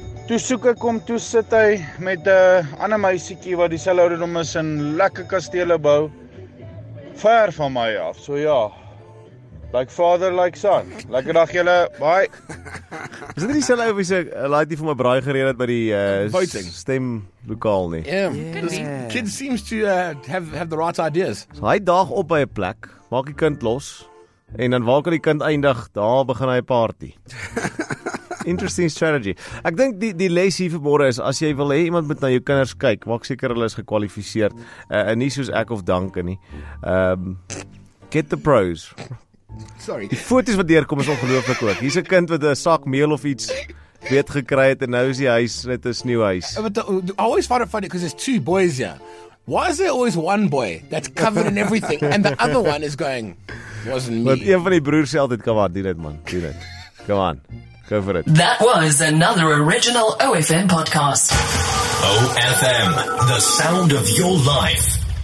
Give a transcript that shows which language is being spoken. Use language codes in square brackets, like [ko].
[af] Toe soek ek om, toe sit hy met ander meisiekie wat die selouderdom is en lekker kastele bou, ver van my af, so ja. [en] Like father, like son. [af] Lekker dag julle. [en] Bye. [af] Is dit nie selfe wie se laaitie vir my braai gereed het by die stem lokaal nie? [en] Yeah. Kid seems to have the right ideas. [af] So hy daag op by 'n plek, maak die kind los en dan waar kan die kind eindig? Daar begin hy 'n party. [en] Interesting strategy. [af] Ek dink die les hier vanmôre is as jy wil hê iemand moet na jou kinders kyk, maak seker hulle is gekwalifiseerd. En nie soos ek of Danke nie. [en] Get the pros. Sorry. [af] Die foto's wat deurkom is ongelooflik ook. Hier's 'n kind wat 'n sak meel of iets weet gekry het en nou is die huis net 'n nuwe huis. [en] But I always find it funny because there's two boys here. Why is there always one boy that's covered in everything and the other one is going wasn't me. [af] Want een van die broers sê altyd kom aan, doen dit man, doen dit. Kom aan. [en] Go for it. That was another original OFM podcast. OFM, the sound of your life.